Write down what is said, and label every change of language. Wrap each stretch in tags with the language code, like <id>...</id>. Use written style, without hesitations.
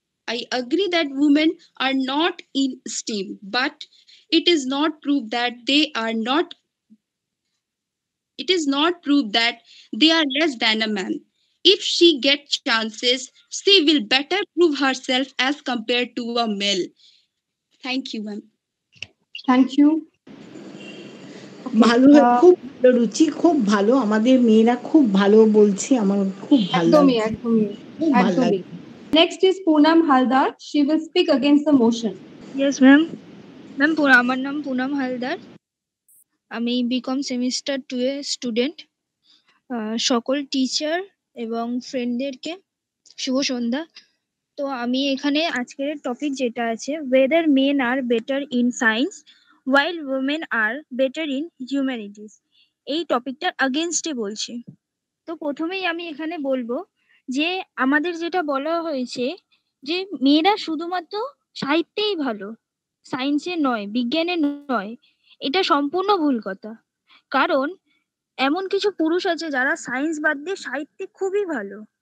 <en>I agree that women are not in esteem, but it is not proved that they are less than a man. If she gets chances, she will better prove herself as compared to a male. Thank you, ma'am. Thank you.</en> <bn>ভালো, খুব ভালো, রুচি খুব ভালো, আমাদের মেয়েরা খুব ভালো বলছে, আমার খুব ভালো লাগছে, একদমই।</bn> <en>Next is Poonam Haldar, she will speak against the motion. Yes ma'am.</en> <bn>Ma'am, আমার নাম পুনম হালদার, আমি বিকম সেমিস্টার 2 এ স্টুডেন্ট। সকল টিচার এবং ফ্রেন্ডদেরকে শুভ সন্ধ্যা। তো আমি এখানে আজকের টপিক যেটা আছে,</bn> <en>whether men are better in science while women are better in humanities,</en> <bn>এই টপিকটার আগেনস্টে বলছি। তো প্রথমেই আমি এখানে বলবো যে আমাদের যেটা বলা হয়েছে যে মেয়েরা শুধুমাত্র সাহিত্যেই ভালো, সায়েন্সে নয়, বিজ্ঞানে নয়, এটা সম্পূর্ণ ভুল কথা। কারণ এমন কিছু পুরুষ আছে যারা সায়েন্স বাদ দিয়ে সাহিত্যে খুবই ভালো।</bn>